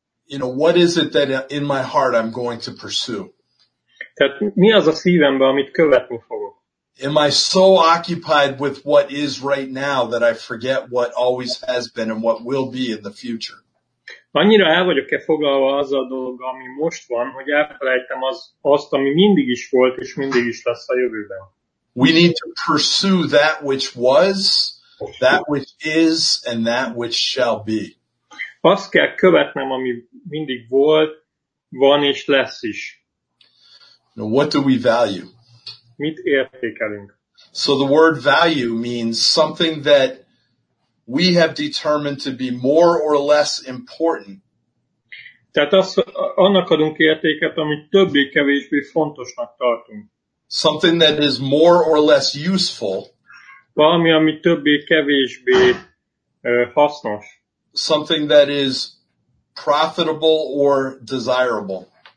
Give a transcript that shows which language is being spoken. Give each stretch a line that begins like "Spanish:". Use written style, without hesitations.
English: You know, what is it that in my heart I'm going to pursue?
Hungarian: Tehát mi az a szívemben, amit követni fogok?
English: Am I so occupied with what is right now that I forget what always has been and what will be in the future?
Hungarian: Annyira el vagyok-e foglalva az a dolog, ami most van, hogy elfelejtem azt, ami mindig is volt és mindig is lesz a jövőben.
English: We need to pursue that which was, that which is, and that which shall be.
Hungarian: Azt kell követnem, ami mindig volt, van és lesz is.
English: Now, what do we value?
Hungarian: Mit értékelünk?
English: So the word value means something that we have determined to be more or less important.
Hungarian: Tehát annak adunk értéket, amit többé-kevésbé fontosnak tartunk.
English: Something that is more or less useful.
Hungarian: Valami, ami többé-kevésbé hasznos.
English: Something that is profitable or desirable.